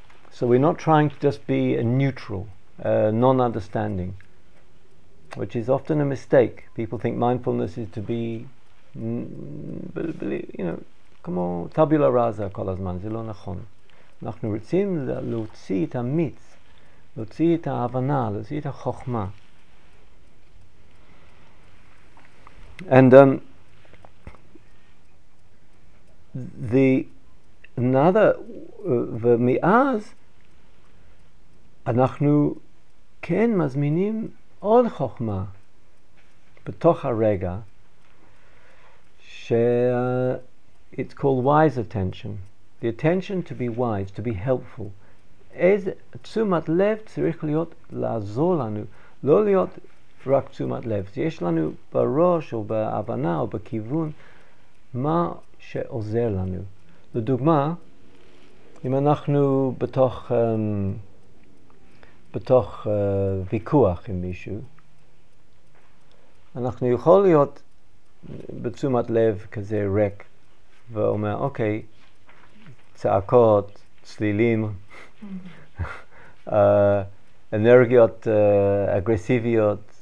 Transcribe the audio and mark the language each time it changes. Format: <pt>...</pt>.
<en>So we're not trying to just be a neutral, non-understanding, which is often a mistake. People think mindfulness is to be, you know,</en> <he>כמו</he> <en>tabula rasa</en> <he>כל הזמן, זה לא נכון. אנחנו רוצים להוציא את המיץ, להוציא את ההבנה, להוציא את החוכמה.</he> <en>And the another,</en> <he>ומאז, אנחנו כן מזמינים עוד חוכמה בתוך הרגע ש</he> <en>it's called wise attention, the attention to be wise, to be helpful.</en> <he>איזה תשומת לב צריך להיות לעזור לנו, לא להיות רק תשומת לב. יש לנו בראש או בהבנה או בכיוון מה שעוזר לנו. לדוגמה, אם אנחנו בתוך בתוך ויכוח עם מישהו, אנחנו יכול להיות בתשומת לב כזה ריק ואומר אוקיי, צעקות, צלילים, אנרגיות אגרסיביות,</he>